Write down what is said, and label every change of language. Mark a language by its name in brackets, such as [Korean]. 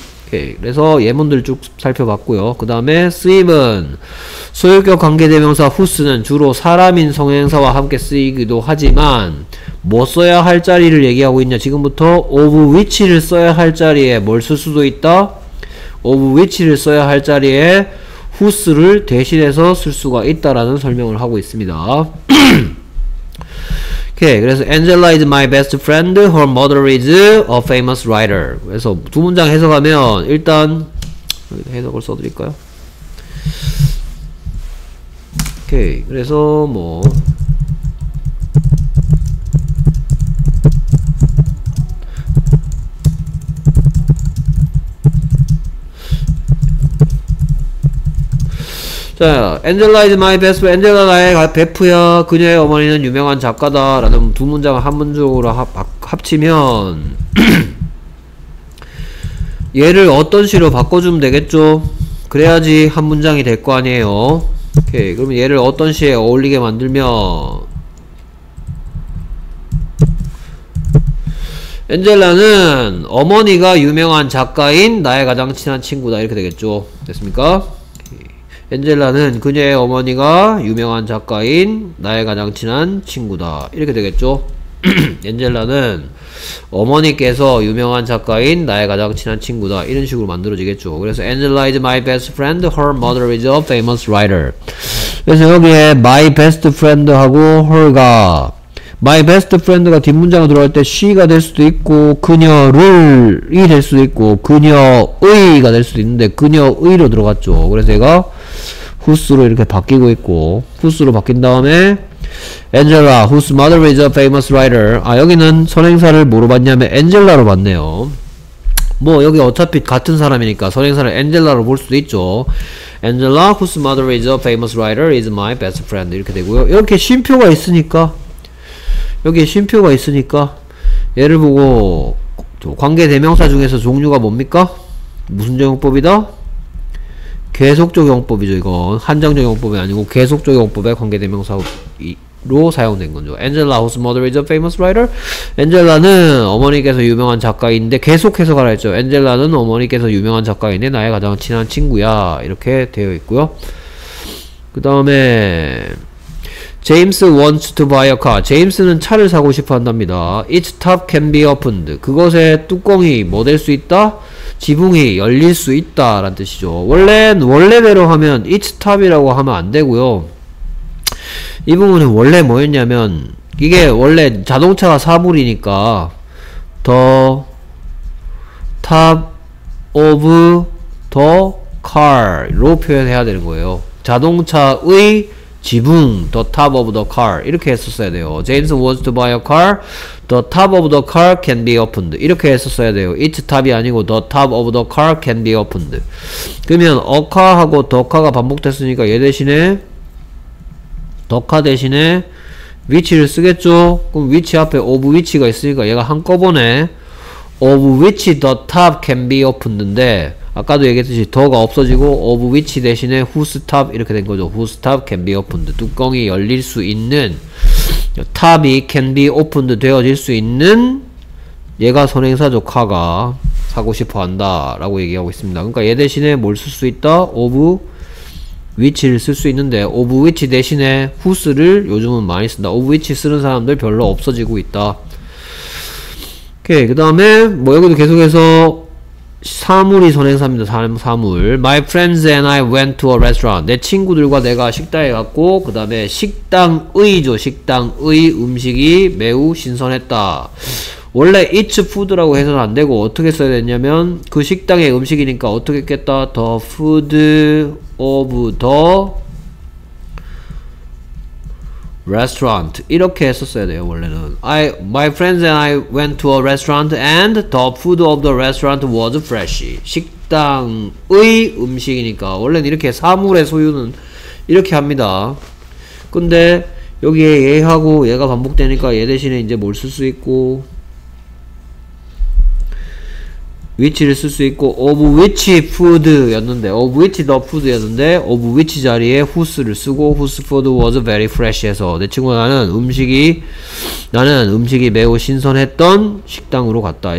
[Korean] 그래서 예문들 쭉 살펴봤고요. 그 다음에 쓰임은 소유격 관계대명사 후스는 주로 사람인 성행사와 함께 쓰이기도 하지만 뭐 써야 할 자리를 얘기하고 있냐. 지금부터 of which를 써야 할 자리에 뭘 쓸 수도 있다? of which를 써야 할 자리에 후스를 대신해서 쓸 수가 있다라는 설명을 하고 있습니다. 오케이. [English] 그래서 Angela is my best friend. Her mother is a famous writer. [Korean] 그래서 두 문장 해석하면 일단 해석을 써드릴까요? 오케이. 그래서 뭐 자, [English] Angela is my best friend. [Korean] Angela 나의 베프야. 그녀의 어머니는 유명한 작가다. 라는 두 문장을 한 문장으로 합치면 얘를 어떤 시로 바꿔주면 되겠죠? 그래야지 한 문장이 될 거 아니에요. 오케이, 그러면 얘를 어떤 시에 어울리게 만들면 엔젤라는 어머니가 유명한 작가인 나의 가장 친한 친구다. 이렇게 되겠죠? 됐습니까? 엔젤라는 그녀의 어머니가 유명한 작가인 나의 가장 친한 친구다. 이렇게 되겠죠? 엔젤라는 어머니께서 유명한 작가인 나의 가장 친한 친구다. 이런 식으로 만들어지겠죠. 그래서 [English] Angela is my best friend. Her mother is a famous writer. [Korean] 그래서 여기에 my best friend 하고 her가 my best friend가 뒷문장으로 들어갈 때 she가 될 수도 있고 그녀를이 될 수도 있고 그녀의가 될 수도 있는데 그녀의로 들어갔죠. 그래서 얘가 후스로 이렇게 바뀌고 있고 후스로 바뀐 다음에 [English] Angela, whose mother is a famous writer. [Korean] 아 여기는 선행사를 뭐로 봤냐면 Angela로 봤네요. 뭐 여기 어차피 같은 사람이니까 선행사를 Angela로 볼 수도 있죠. [English] Angela, whose mother is a famous writer, is my best friend. [Korean] 이렇게 되고요. 이렇게 쉼표가 있으니까 여기에 쉼표가 있으니까 얘를 보고 관계대명사 중에서 종류가 뭡니까? 무슨 적용법이다? 계속적 용법이죠. 이건 한정적 용법이 아니고 계속적 용법의 관계대명사로 사용된 건죠. [English] Angela, whose mother is a famous writer? [Korean] Angela는 어머니께서 유명한 작가인데 계속해서 가라 했죠. Angela는 어머니께서 유명한 작가인데 나의 가장 친한 친구야. 이렇게 되어 있고요. 그 다음에 [English] James wants to buy a car. [Korean] James는 차를 사고 싶어 한답니다. [English] Its top can be opened. [Korean] 그것의 뚜껑이 뭐 될 수 있다? 지붕이 열릴 수 있다 라는 뜻이죠. 원래대로 하면 its top이라고 하면 안 되고요. 이 부분은 원래 뭐였냐면 이게 원래 자동차가 사물이니까 [English] the top of the car [Korean] 로 표현해야 되는 거예요. 자동차의 지붕, [English] the top of the car [Korean] 이렇게 했었어야 돼요. [English] James wants to buy a car. The top of the car can be opened. [Korean] 이렇게 했었어야 돼요. [English] It's top [Korean] 이 아니고 [English] the top of the car can be opened. [Korean] 그러면 a car하고 the car가 반복됐으니까 얘 대신에 the car 대신에 which를 쓰겠죠? 그럼 which 앞에 [English] of which가 있으니까 얘가 한꺼번에 of which the top can be opened [Korean] 인데 아까도 얘기했듯이 더가 없어지고 of which 대신에 whose top 이렇게 된거죠. [English] whose top can be opened. [Korean] 뚜껑이 열릴 수 있는 top이 can be opened 되어질 수 있는 얘가 선행사죠. 카가 사고 싶어 한다 라고 얘기하고 있습니다. 그러니까 얘 대신에 뭘 쓸 수 있다? of which를 쓸 수 있는데 of which 대신에 whose를 요즘은 많이 쓴다. of which 쓰는 사람들 별로 없어지고 있다. 오케이. 그 다음에 뭐 여기도 계속해서 사물이 선행사입니다. 사물. [English] My friends and I went to a restaurant. [Korean] 내 친구들과 내가 식당에 갔고 그 다음에 식당의죠. 식당의 음식이 매우 신선했다. 원래 it's food라고 해서 안되고 어떻게 써야 되냐면 그 식당의 음식이니까 어떻게 했겠다. [English] The food of the restaurant [Korean] 이렇게 했었어야 돼요. 원래는 [English] I my friends and I went to a restaurant and the food of the restaurant was fresh. [Korean] 식당의 음식이니까 원래는 이렇게 사물의 소유는 이렇게 합니다. 근데 여기에 얘하고 얘가 반복되니까 얘 대신에 이제 뭘 쓸 수 있고 which를 쓸 수 있고 of which food 였는데 of which the food 였는데 of which 자리에 whose를 쓰고 [English] whose food was very fresh [Korean] 해서 내 친구 나는 음식이 매우 신선했던 식당으로 갔다.